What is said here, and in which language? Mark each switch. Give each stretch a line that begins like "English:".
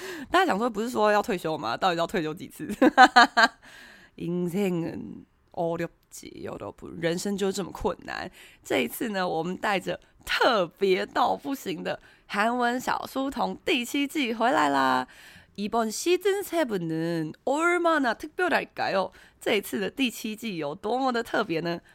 Chinese: 大家想说，不是说要退休吗？到底要退休几次？
Korean: 인생은어렵지여러분，
Chinese: 人生就这么困难。这一次呢，我们带着特别到不行的韩文小书童第七季回来啦。
Korean: 이번시즌7은얼마나특별할까요？
Chinese: 这一次的第七季有多么的特别呢？